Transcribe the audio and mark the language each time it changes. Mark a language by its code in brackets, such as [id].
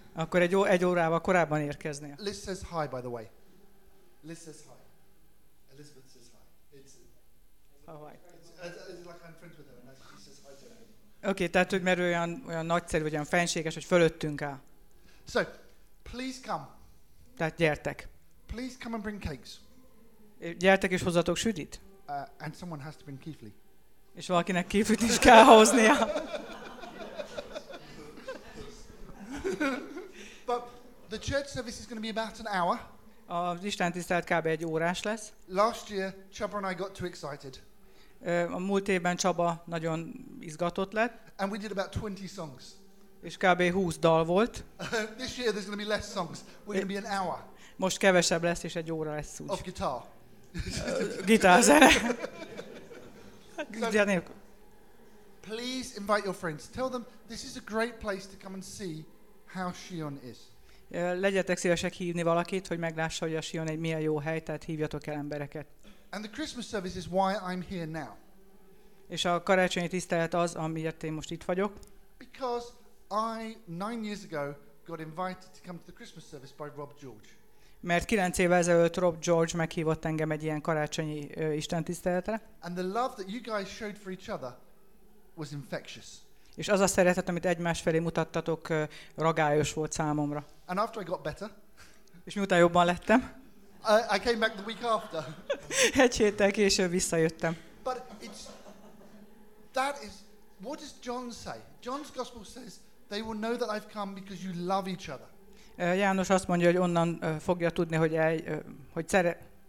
[hu] Akkor egy órával korábban érkeznél. [en] Liz says hi, by the way. Liz says hi. Elizabeth says hi. It's like I'm friends with her, and she says hi to everyone. [hu] Oké, okay, tehát hogy mert olyan nagyszerű, olyan fenséges, hogy fölöttünk áll. [en] So, please come. [hu] Tehát gyertek. [en] Please come and bring cakes. [hu] Gyertek és hozzatok sütit. [en] And someone has to bring Keefley. [hu] És valakinek Keefley-t is kell hoznia. [en] But the church service is going to be about an hour. [hu] Az istentisztelet kb. Egy órás lesz. [en] Last year, Chaba and I got too excited. [hu] A múlt évben Chaba nagyon izgatott lett. [en] And we did about 20 songs. [hu] És kb. 20 dal volt. [en] This year there's going to be less songs. We're going to be an hour. [hu] Most kevesebb lesz, és egy óra lesz úgy. [en] Of guitar. [hu] Gitárzene. So, [en] please invite your friends. Tell them this is a great place to come and see how Sion is. [hu] Legyetek szívesek hívni valakit, hogy meglássa, hogy a Sion egy milyen jó hely, tehát hívjatok el embereket. [en] And the Christmas service is why I'm here now. [hu] És a karácsonyi tisztelet az, amiért én most itt vagyok. [en] Because I 9 years ago got invited to come to the Christmas service by Rob George. [hu] Mert 9 évvel ezelőtt Rob George meghívott engem egy ilyen karácsonyi istentiszteletre. [en] And the love that you guys showed for each other was infectious. [hu] És az a szeretet, amit egymás felé mutattatok, ragályos volt számomra. [en] And after I got better. [hu] És miután jobban lettem. [en] I came back the week after. [hu] Egy héttel később visszajöttem. [en] But it's that is what does John say? John's gospel says they will know that I've come because you love each other. [hu] János azt mondja, hogy onnan fogja tudni, hogy szeret.